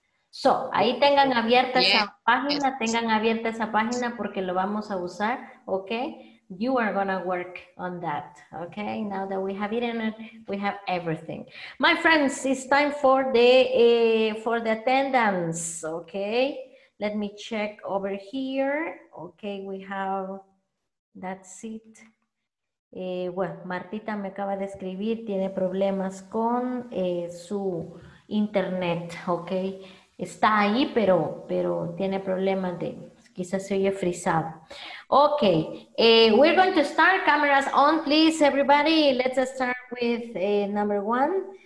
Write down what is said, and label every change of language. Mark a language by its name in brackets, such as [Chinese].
[Spanish] So, ahí tengan abierta esa página, tengan abierta esa página porque lo vamos a usar, okay? [English] You are gonna work on that, okay? Now that we have it in it, we have everything. My friends, it's time for the attendance, okay? Let me check over here. Okay, we have, that's it. [Spanish] Well, Martita me acaba de escribir, tiene problemas con su internet, okay? Está ahí, pero tiene problemas de, quizás se oye frisado. [English] Okay, we're going to start, cameras on, please, everybody. Let's start with number one.